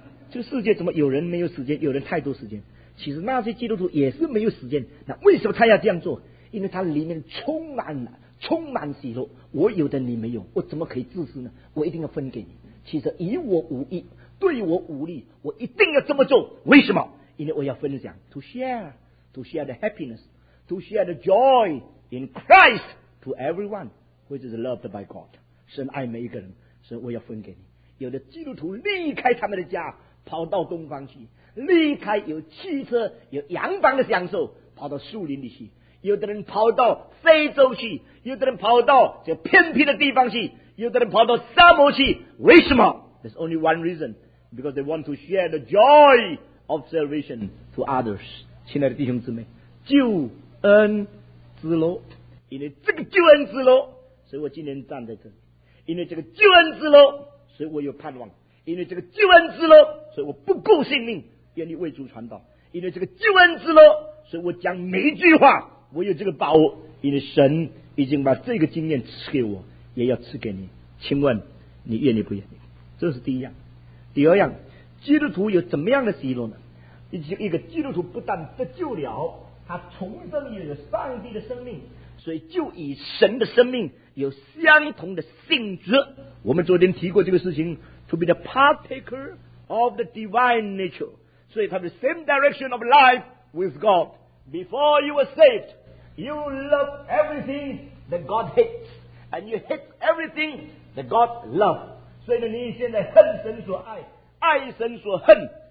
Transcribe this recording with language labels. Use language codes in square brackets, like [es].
[zh] 这个世界怎么有人没有时间，有人太多时间？其实那些基督徒也是没有时间。那为什么他要这样做？因为他里面充满了，充满喜乐。我有的你没有，我怎么可以自私呢？我一定要分给你。其实以我无益，对我无力，我一定要这么做。为什么？因为我要分享 [en] to share the happiness, to share the joy in Christ to everyone which is loved by God。 [zh] 神爱每一个人，所以我要分给你。有的基督徒离开他们的家，跑到东方去，离开有汽车有洋房的享受，跑到树林里去。有的人跑到非洲去，有的人跑到这偏僻的地方去，有的人跑到沙漠去。为什么？ [en] There's only one reason, because they want to share the joy of salvation to others。 [zh] 亲爱的弟兄姊妹，救恩之路，因为这个救恩之路，所以我今天站在这里。因为这个救恩之路，所以我有盼望。因为这个救恩之路，所以我不顾性命，愿意为主传道。因为这个救恩之路，所以我讲每一句话，我有这个把握。因为神已经把这个经验赐给我，也要赐给你。请问你愿意不愿意？这是第一样。第二样，基督徒有怎么样的喜乐呢？一个基督徒不但得救了，他重生也有上帝的生命，所以就与神的生命有相同的性质。我们昨天提过这个事情， [en] To be the partaker of the divine nature. So you have the same direction of life with God. Before you were saved, you love everything that God hates. And you hate everything that God loves. So you now hate God so much, love God so much.